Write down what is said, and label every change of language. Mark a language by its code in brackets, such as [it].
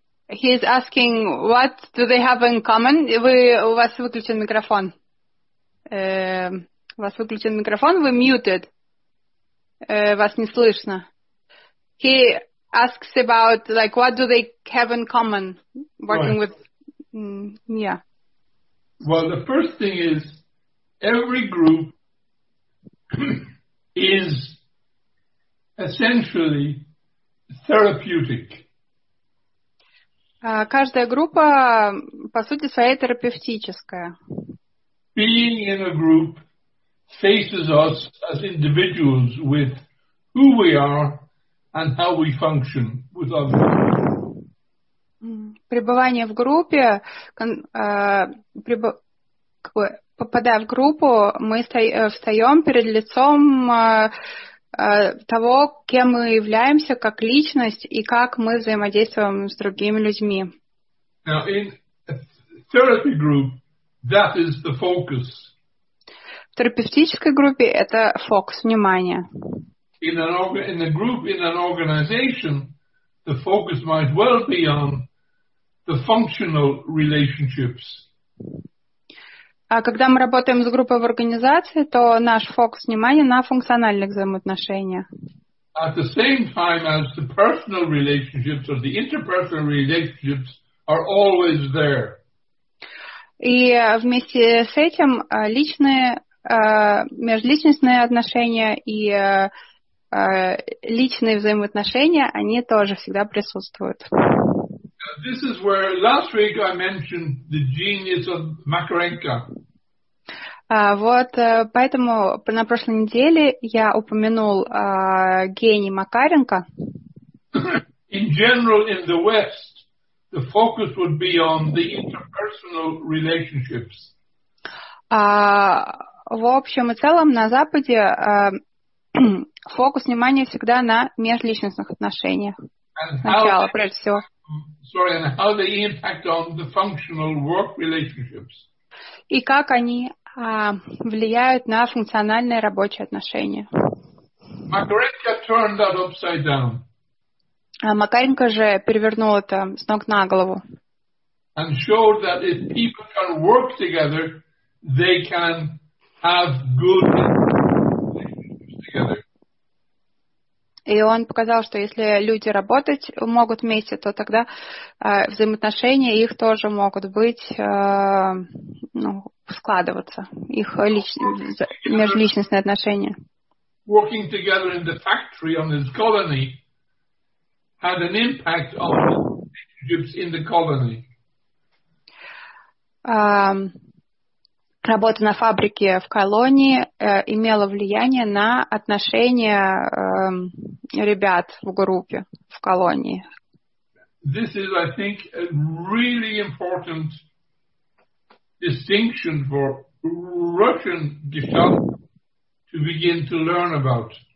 [en] He's asking what do they have in common? [ru] У вас выключен микрофон. У вас выключен микрофон, вы muted. Вас не слышно. [en] He asks about like what do they have in common working right. with yeah. Well, the first thing is every group is essentially therapeutic. [ru] Каждая группа, по сути, своя терапевтическая. [en] Being in a group faces us as individuals with who we are and how we function with others. [ru] Пребывание в группе, попадая в группу, мы встаем перед лицом того, кем мы являемся как личность и как мы взаимодействуем с другими людьми. [en] Now, in a therapy group, that is the focus. [ru] В терапевтической группе это фокус внимания. [en] In a group in an organization, the focus might well be on the functional relationships. [ru] А когда мы работаем с группой в организации, то наш фокус внимания на функциональных взаимоотношениях. [en] At the same time as the personal relationships or the interpersonal relationships are always there. [ru] И вместе с этим личные, межличностные отношения и личные взаимоотношения, они тоже всегда присутствуют. [en] This is where last week I mentioned the genius of Makarenka. [ru] Вот поэтому на прошлой неделе я упомянул гений Макаренко. [en] In general, in the West, the focus would be on the interpersonal relationships. [ru] В общем и целом на Западе фокус внимания всегда на межличностных отношениях. Сначала, прежде всего. [en] Sorry, and how they impact on the functional work relationships. [ru] И как они влияют на функциональные рабочие отношения. [en] Макаренко turned that upside down. [ru] А Макаренко же перевернул это с ног на голову. [en] And showed that if people can work together, they can have good relationships together. [ru] И он показал, что если люди работать могут вместе, то тогда взаимоотношения их тоже могут быть, складываться, их межличностные отношения. [en] Working together in the factory on his colony had an impact on relationships in the colony. [ru] Работа на фабрике в колонии имела влияние на отношения ребят в группе в колонии. [en] This is, I think, a really important distinction for Russian Geschaut to begin to learn about.